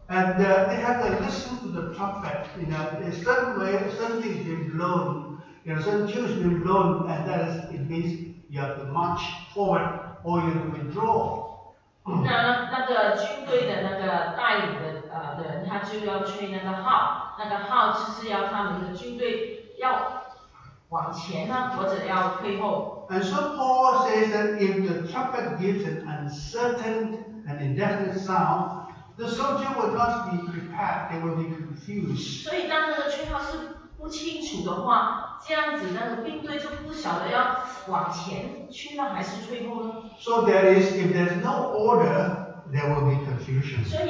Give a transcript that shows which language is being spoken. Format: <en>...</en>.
<en>，and they have to listen to the trumpet. You know, in a certain way, something is being blown. You know, some tune is being blown, and that is it means you have to march forward. or you can withdraw.</en> <zh>那个军队的那个带领的人，他就要吹那个号，那个号就是要他们的军队要往前呢，或者要退后。</zh> <en>And so Paul says that if the trumpet gives an uncertain and indefinite sound, the soldier will not be prepared, they will be confused.</en> <zh>所以当那个吹号是不清楚的话，这样子那个兵队就不晓得要往前去呢，还是退后呢？</zh> <en>So there is, if there's no order, there will be confusion.</en>